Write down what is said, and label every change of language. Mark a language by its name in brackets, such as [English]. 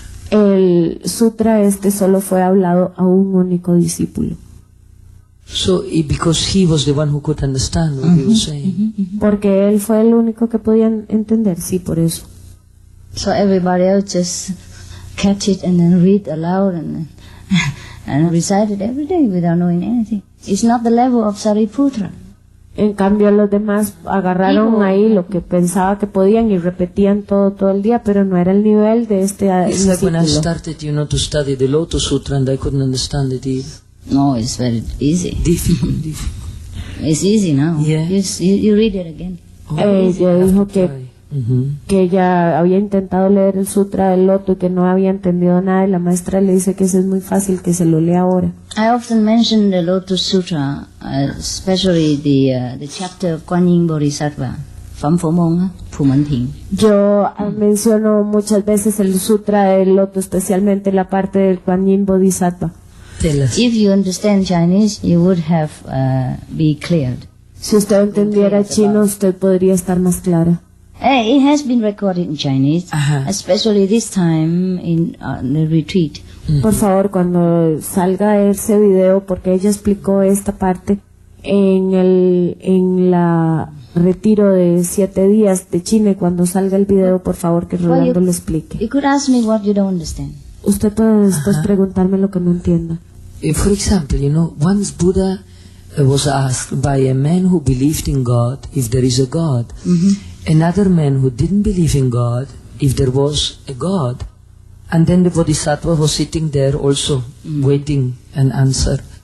[Spanish] El sutra este solo fue hablado a un único discípulo. [English] So, because he was the one who could understand what he was saying. [Spanish] Porque él fue el único que podía entender, sí, por eso. [English] So everybody else just catch it and then read aloud and recite it every day without knowing anything. It's not the level of Sariputra. [Spanish] En cambio, los demás agarraron ahí lo que pensaba que podían y repetían todo el día, pero no era el nivel de este discípulo. [English] It's like when I started, you know, to study the Lotus Sutra and I couldn't understand it either. No, it's very easy. Difficult. It's easy now. Yeah. You read it again. [Spanish] Oh, ella dijo que ella había intentado leer el Sutra del Loto y que no había entendido nada, y la maestra le dice que eso es muy fácil, que se lo lea ahora. [English] I often mention the Lotus Sutra, especially the chapter of Guanyin Bodhisattva, Phan Phu Mong, Phu Mun Ting. [Spanish] Yo menciono muchas veces el Sutra del Loto, especialmente la parte del Guanyin Bodhisattva. [English] Tell us. If you understand Chinese, you would have be cleared. [Spanish] Si usted entendiera chino, usted podría estar más clara. [English] It has been recorded in Chinese, especially this time in the retreat. [Spanish] Por favor, cuando salga ese video, porque ella explicó esta parte en la retiro de 7 días de China, cuando salga el video, por favor, que Rolando lo explique. [English] You could ask me what you don't understand. [Spanish] Usted puede después preguntarme lo que no entienda. [English] For example, you know, once Buddha was asked by a man who believed in God if there is a God. Another man who didn't believe in God, if there was a God, and then the Bodhisattva was sitting there also, waiting an answer.